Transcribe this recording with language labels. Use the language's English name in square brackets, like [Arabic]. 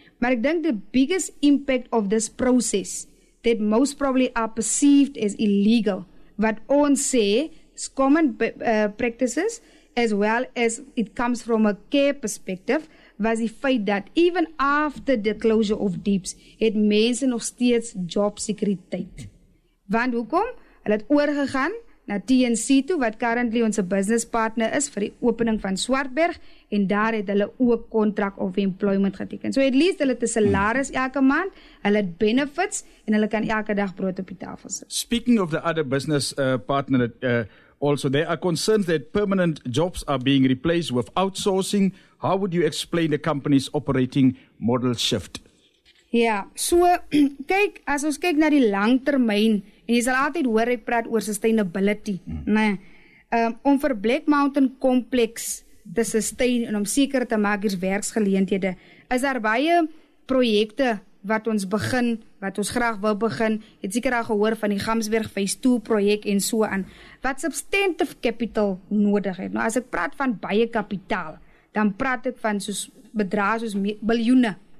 [Afrikaans] Maar ek dink [English] the biggest impact of this process that most probably are perceived as illegal, [Afrikaans] wat ons sê, [English] common practices, as well as it comes from a care perspective, [Afrikaans] was die feit dat [English] even after the closure of DEEPS, [Afrikaans] het mense nog steeds jobsekuriteit. Want hoekom? Hulle het oorgegaan na TNC toe, wat currently ons business partner is vir die opening van Swartberg, en daar het hulle ook [English] contract of employment [Afrikaans] geteken. So at least hulle het 'n salaris elke maand, hulle het benefits, en hulle kan elke dag brood op die tafel sit. [English] Speaking of the other business partner that also, there are concerns that permanent jobs are being replaced with outsourcing. How would you explain the company's operating model shift? [Afrikaans] Ja, so, kyk, as ons kyk na die langtermyn, en jy sal altyd hoor, ek praat oor sustainability. Om vir Black Mountain Complex te sustain, en om seker te maak hier werksgeleenthede, is daar baie projekte wat ons begin, wat ons graag wil begin, het seker al gehoor van die Gamsberg Phase 2 projek en so aan, wat substantive capital nodig het. Nou, as ek praat van baie kapitaal, dan praat ek van soos bedrae soos biljoene.